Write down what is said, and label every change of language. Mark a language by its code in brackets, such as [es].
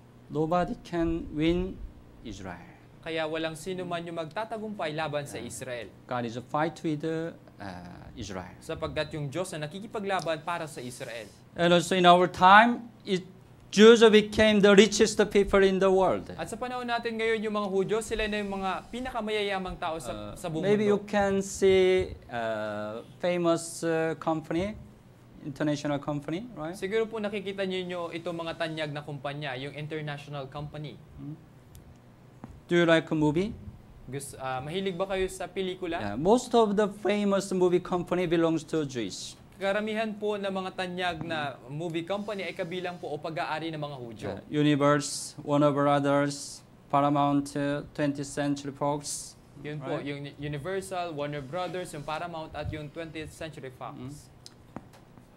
[en] Nobody can win Israel. [tl] Kaya walang sino man yung magtatagumpay laban sa Israel. [en] God is a fight with Israel. [tl] Sapagkat yung Diyos na nakikipaglaban para sa Israel. [en] And also in our time, Jews became the richest people in the world. [tl] At sa panahon natin ngayon, yung mga Hudyo, sila na yung mga pinakamayayamang tao sa buong [en] maybe [tl] mundo. [en] You can see a famous company, international company, right? [tl] Siguro po nakikita niyo itong mga tanyag na kumpanya, yung [en] international company. Do you like a movie? [tl] Mahilig ba kayo sa pelikula? [en] Yeah, most of the famous movie company belongs to Jews. [tl] Karamihan po ng mga tanyag na [en] movie company [tl] ay kabilang po o pag-aari ng mga Hudyo. [en] Universe, Warner Brothers, Paramount, 20th Century Fox. [tl] Yun po, yung Universal, Warner Brothers, yung Paramount at yung 20th Century Fox. Mm-hmm.